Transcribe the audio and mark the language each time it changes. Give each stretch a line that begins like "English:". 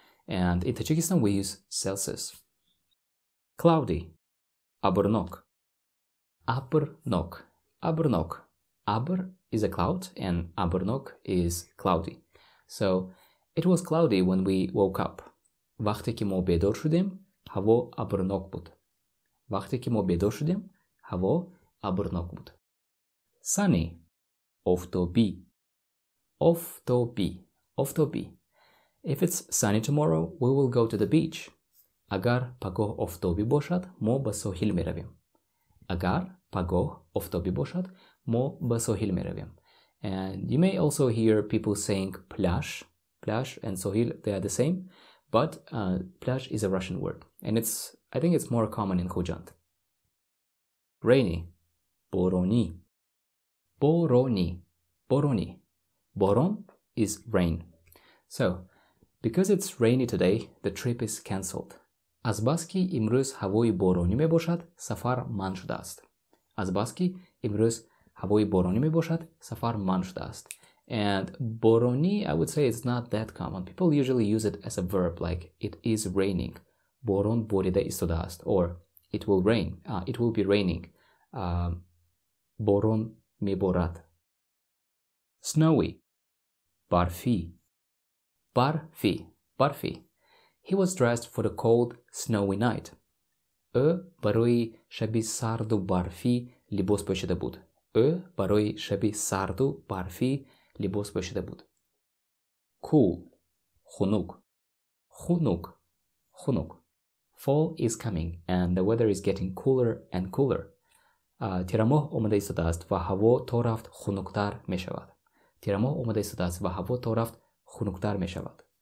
English: And in Tajikistan we use Celsius. Cloudy. Абрнок.
Tajik: Абрнок. Абрнок.
English: Абр is a cloud and абрнок is cloudy. So it was cloudy when we woke up.
Tajik: Вақте ки мо бедор шудем, ҳаво абрнок буд. Вақте ки мо бедор шудем, ҳаво абрнок буд. Sunny. Офтоби. Офтоби. Офтоби.
English: If it's sunny tomorrow, we will go to the beach.
Tajik: Агар пагоҳ офтоби бошад, мо ба соҳил меравем. Агар пагоҳ офтоби бошад, мо ба соҳил меравем.
English: And you may also hear people saying пляж. Пляж and соҳил, they are the same. But пляж is a Russian word. And it's, I think it's more common in Khujand.
Tajik: Rainy. Борони. Борони. Борони.
English: Борон is rain. So, because it's rainy today, the trip is cancelled.
Tajik: Азбаски имрӯз ҳавои боронӣ мебошад, сафар манъ шудааст. Азбаски имрӯз ҳавои боронӣ мебошад, сафар манъ шудааст.
English: And борони, I would say it's not that common. People usually use it as a verb like it is raining.
Tajik: Борон борида истодааст,
English: or it will rain. It will be raining.
Tajik: Борон меборад.
English: Snowy.
Tajik: Барфи. Барфи. Барфи.
English: He was dressed for the cold, snowy night.
Tajik: Ӯ барои шаби сарду барфи либос пошида буд. Ӯ барои шаби сарду барфи либос пошида буд.
English: Cool.
Tajik: Хунук. Хунук. Хунук.
English: Fall is coming and the weather is getting cooler and cooler.
Tajik: Тирамоҳ омада истодааст ва ҳаво то рафт хунуктар мешавад. Тирамоҳ омада истодааст ва ҳаво то рафт хунуктар мешавад.